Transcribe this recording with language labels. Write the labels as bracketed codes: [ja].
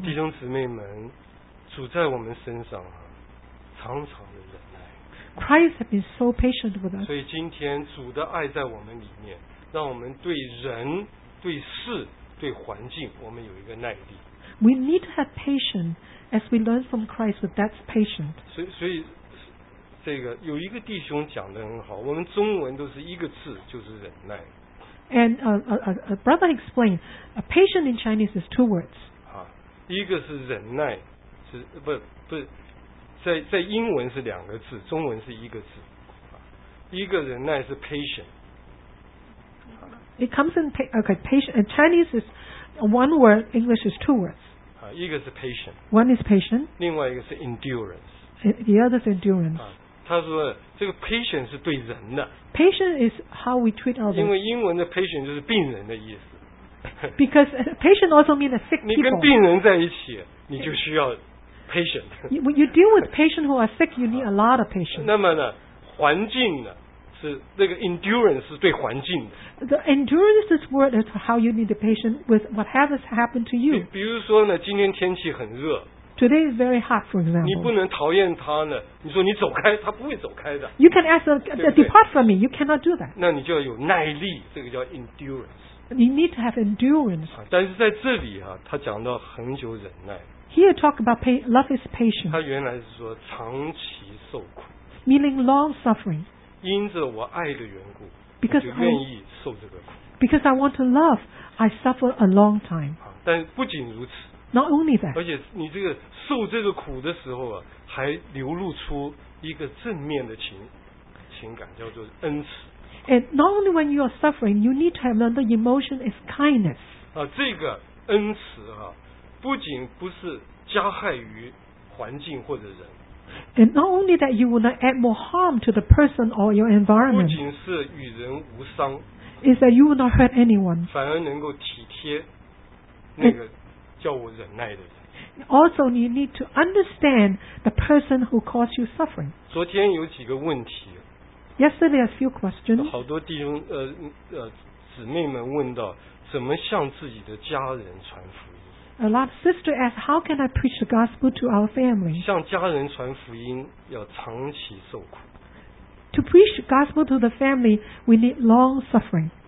[zh] 弟兄姊妹们，主在我们身上啊，常常的忍耐。 [en] Christ has been so patient with us. [zh] 所以今天主的爱在我们里面，让我们对人、对事、对环境，我们有一个耐力。 [en] We need to have patience as we learn from Christ with that patience. [zh] 所以这个有一个弟兄讲得很好，我们中文都是一个字，就是忍耐。 [en] And a brother explained, a patient in Chinese is two words. [zh] 啊，一个是忍耐，是不不在英文是两个字，中文是一个字。啊，一个忍耐是 patient. [en] It comes in patient. And Chinese is one word. English is two words. [zh] 啊，一个是 patient. [en] One is patient. [zh] 另外一个是 endurance. [en] The other is endurance. [zh] 啊，他说这个 patient 是对人的。 [en] Patient is how we treat others. [zh] 因为英文的 patient 就是病人的意思。 [en] Because patient also means a sick people. [zh] 你跟病人在一起，你就需要 patient. [en] When you deal with patients who are sick, you need a lot of patience. [zh] 那么呢，环境呢，是那个 endurance 是对环境的。 [en] The endurance is word is how you need the patient with whatever's happened to you. [zh] 比如说呢，今天天气很热。 [en] Today is very hot, for example. [zh] 你不能讨厌他呢，你说你走开，他不会走开的。 [en] You can ask them, depart from me. You cannot do that. [zh] 那你就要有耐力，这个叫 endurance. [en] You need to have endurance. [zh] 但是在这里啊，他讲到恒久忍耐。 [en] Here talk about love is patience. [zh] 他原来是说长期受苦。 [en] Meaning long suffering. [zh] 因着我爱的缘故，我就愿意受这个苦。 [en] Because I want to love, I suffer a long time. [zh] 但不仅如此。 [en] Not only that. [zh] 而且你这个受这个苦的时候啊，还流露出一个正面的情感，叫做恩慈。 [en] And not only when you are suffering, you need to have another emotion is kindness. [zh] 啊，这个恩慈啊，不仅不是加害于环境或者人。 [en] And not only that, you will not add more harm to the person or your environment. [zh] 不仅是与人无伤。 [en] Is that you will not hurt anyone? [zh] 反而能够体贴那个。叫我忍耐的人。 [en] Also, you need to understand the person who caused you suffering. [zh] 昨天有几个问题。 [en] Yesterday, a few questions. [zh] 好多弟兄姊妹们问到怎么向自己的家人传福音。 [en] A lot of sisters ask, how can I preach the gospel to our family? [zh] 向家人传福音要长期受苦。 [en] To preach the gospel to the family, we need long suffering.